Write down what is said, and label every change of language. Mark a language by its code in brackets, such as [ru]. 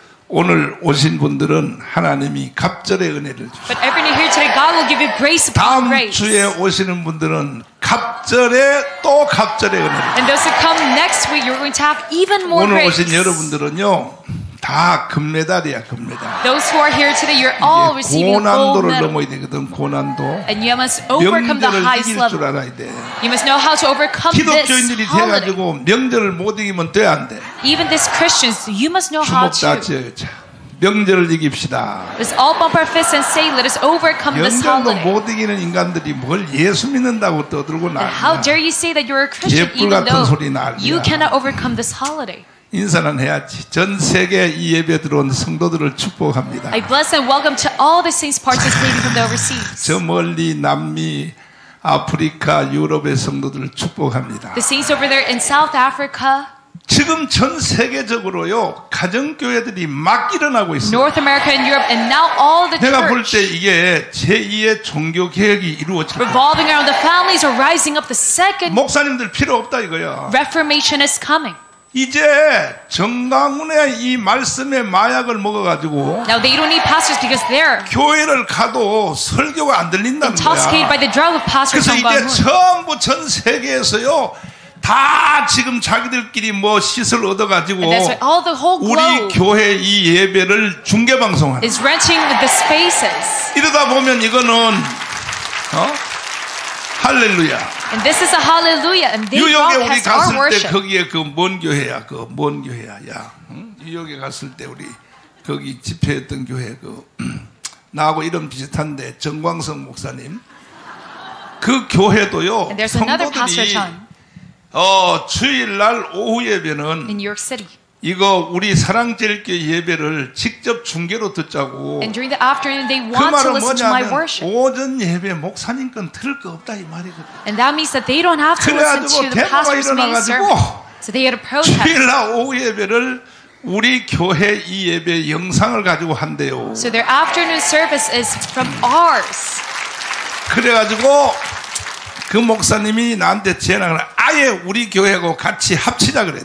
[ko] 오늘 오신 분들은 하나님이 갑절의 은혜를 주시고 [en] But everyone here today, God will give you grace upon grace. [ko] 다음 주에 오시는 분들은 갑절에 또 갑절의 은혜를 [en] And those who come next week, you're going to have even more [ko] 오늘 [en] grace. [ko] 오늘 오신 여러분들은요. 다 금메달이야, 금메달. [en] Those who are here today, you're all receiving gold medal. [ko] 고난도를 넘어야 되거든, 고난도. [en] And you must overcome the highest level. You must know how to overcome this holiday. [ko] 기독교인들이 돼가지고 명절을 못 이기면 돼, 안 돼. [en] Even these Christians, you must know how to. [ko] 주목다지, 명절을 이깁시다. [en] Let's all bump our fists and say, let us overcome this holiday. [ko] 명절도 못 이기는 인간들이 뭘 예수 믿는다고 떠들고 나. [en] How dare you say that you're a Christian even though? [ko] 개뿔 같은 소리 나. [en] You cannot overcome this holiday. [ko] 인사는 해야지. 전 세계 이 예배 들어온 성도들을 축복합니다. [en] I bless and welcome to all the saints participating from the overseas. [ko] 저 멀리 남미, 아프리카, 유럽의 성도들을 축복합니다. [en] The saints over there in South Africa. [ko] 지금 전 세계적으로요 가정 교회들이 막 일어나고 있습니다. [en] North America and Europe and now all the church. [ko] 내가 볼 때 이게 제2의 종교 개혁이 이루어집니다. [en] Revolving around the families are rising up the second. [ko] 목사님들 필요 없다 이거야. [en] Reformation is coming. [ko] 이제 정강훈의 이 말씀의 마약을 먹어가지고 [en] Now they don't need pastors because they're [ko] 교회를 가도 설교가 안 들린다는 거야. [en] Intoxicated by the drug of pastor [ko] 그래서 이제 전부 전 세계에서요 다 지금 자기들끼리 뭐 시설 얻어가지고 우리 교회 이 예배를 중계방송하는 [en] is renting the spaces. [ko] 이러다 보면 이거는 할렐루야. [en] And this is a hallelujah. And they all have our worship. [ko] 때 거기에 그 뭔 교회야? 그 뭔 교회야? 야, 응? 뉴욕에 갔을 때 우리 거기 집회했던 교회 그 나하고 이름 비슷한데 정광성 목사님 그 교회도요. [en] And there's another pastor, John. [ko] 주일날 오후 예배는 [en] in New York City. [ko] 이거 우리 사랑제일교 예배를 직접 중계로 듣자고. [en] And during the afternoon, they want [ko] 그 말은 [en] to listen to my worship. [ko] 오전 예배 목사님 건 들을 거 없다 이 말이거든. [en] And that means that they don't have to listen to the pastor's main service. So they had a protest. [ko] 주일 날 오후 예배를 우리 교회 이 예배 영상을 가지고 한대요. [en] So their afternoon service is from ours. [ko] 그래가지고 그 목사님이 나한테 제안을 아예 우리 교회하고 같이 합치자 그래.